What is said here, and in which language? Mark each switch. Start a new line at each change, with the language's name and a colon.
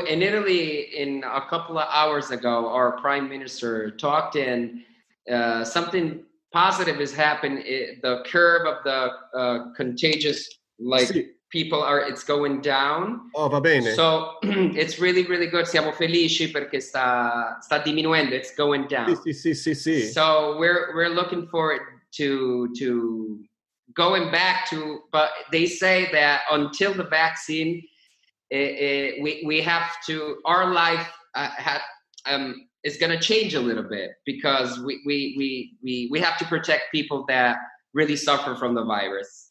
English: In Italy, in a couple of hours ago, our prime minister talked in something positive has happened. The curve of the contagious, like, people are, it's going down.
Italian: Oh, va bene.
English: So it's really, really good.
Italian: Siamo felici perché sta diminuendo.
English: It's going down.
Italian: Sì.
English: So we're looking forward to going back to, but they say that until the vaccine, we have to, our life is going to change a little bit because we have to protect people that really suffer from the virus.